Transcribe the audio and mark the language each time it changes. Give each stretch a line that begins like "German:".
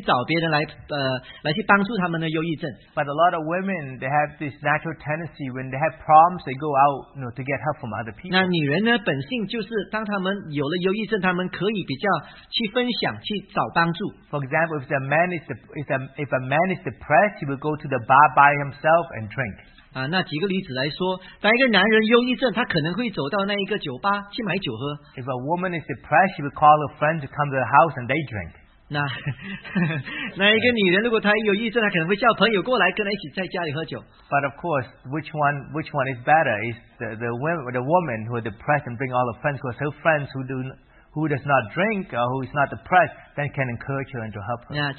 Chinese: 那这相差呢，就是男人往往就不愿意自愿的去找别人来去帮助他们的忧郁症。
English: But a lot of women, they have this natural tendency when they have problems, they go out to get help from other people.
Chinese: 那女人呢，本性就是当他们有了忧郁症，他们可以比较去分享，去找帮助。
English: For example, if a man is depressed, he will go to the bar by himself and drink.
Chinese: 那举个例子来说，当一个男人忧郁症，他可能会走到那一个酒吧去买酒喝。
English: If a woman is depressed, she will call a friend to come to her house and they drink.
Chinese: 那一个女人如果她忧郁症，她可能会叫朋友过来跟她一起在家里喝酒。
English: But of course, which one is better? Is the woman who is depressed and bring all her friends, because her friends who does not drink or who is not depressed, then can encourage her and to help her.